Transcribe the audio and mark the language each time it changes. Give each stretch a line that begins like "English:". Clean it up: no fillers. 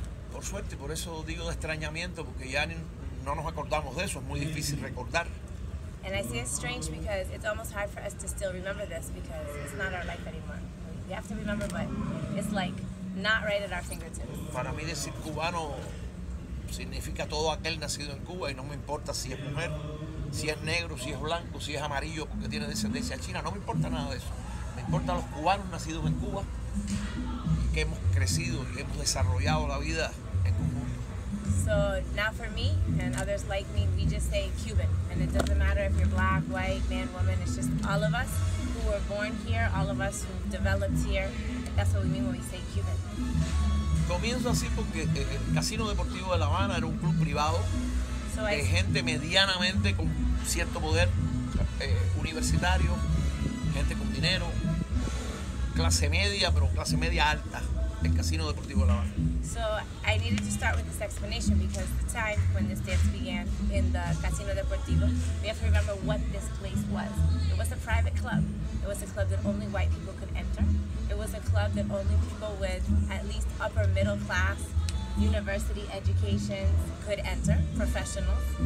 Spanish: Por suerte, por eso digo de extrañamiento, porque ya no nos acordamos de eso, es muy difícil recordar.
English: And I say it's strange because it's almost hard for us to still remember this because it's not our life anymore. We have to remember, but it's like not right at our fingertips.
Spanish: Para mí decir cubano significa todo aquel nacido en Cuba y no me importa si es mujer, si es negro, si es blanco, si es amarillo porque tiene descendencia china, no me importa nada de eso. Me importa los cubanos nacidos en Cuba y que hemos crecido y hemos desarrollado la vida en conjunto.
English: So, not for me and others like me, we just say Cuban. And it doesn't matter if you're black, white, man, woman, it's just all of us who were born here, all of us who developed here. That's what we mean when we say Cuban.
Spanish: Comienzo así porque el Casino Deportivo de La Habana era un club privado de gente medianamente con cierto poder universitario, gente con dinero, clase media, pero clase media alta, el Casino Deportivo de La Habana.
English: So I needed to start with this explanation because the time when this dance began in the Casino Deportivo, we have to remember what this place was. It was a private club. It was a club that only white people could enter. It was a club that only people with at least upper middle class university education could enter, professionals.